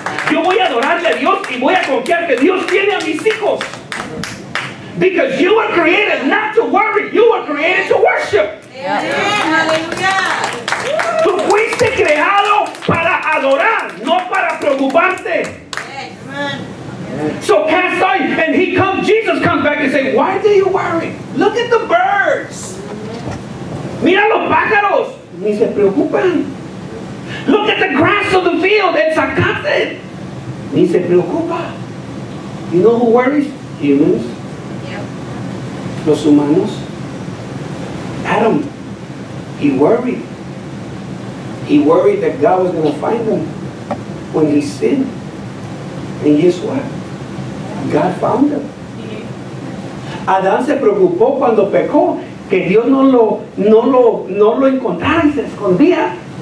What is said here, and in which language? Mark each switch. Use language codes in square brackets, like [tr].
[es] Yo voy a adorarle a Dios y voy a confiar que Dios tiene a mis hijos. [en] Because you were created not to worry, you were created to worship. [es] Tú fuiste creado para adorar, no para preocuparte. [en] So cast off, and he comes, Jesus comes back and says, why are you worrying? Look at the birds. [es] Mira los pájaros. Ni se preocupan. [en] Look at the grass of the field. It's a cotton. [es] Ni se preocupa. [en] You know who worries? Humans. Yep. [es] Los humanos. Adam. [en] He worried. He worried that God was going to find him when he sinned. And guess what? God found him. [es] Adán se preocupó cuando pecó que Dios no lo encontrara y se escondía.